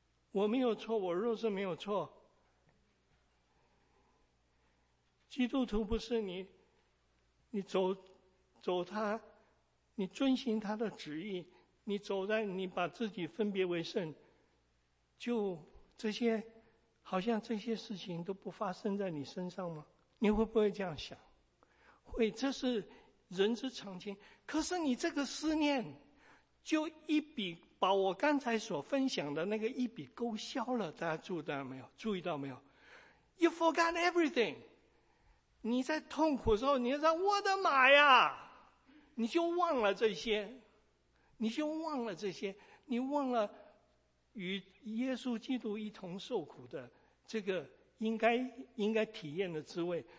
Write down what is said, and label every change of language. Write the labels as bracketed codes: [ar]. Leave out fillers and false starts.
[zh] 我没有错，我若是没有错，基督徒不是你，你走走他，你遵循他的旨意，你走在你把自己分别为圣，就这些，好像这些事情都不发生在你身上吗？你会不会这样想？会，这是人之常情。可是你这个思念，就一笔把我刚才所分享的那个一笔勾销了。大家注意到没有？注意到没有 ？ [en] You forgot everything。 [zh] 你在痛苦的时候，你说我的妈呀，你就忘了这些，你就忘了这些，你忘了与耶稣基督一同受苦的这个应该体验的滋味。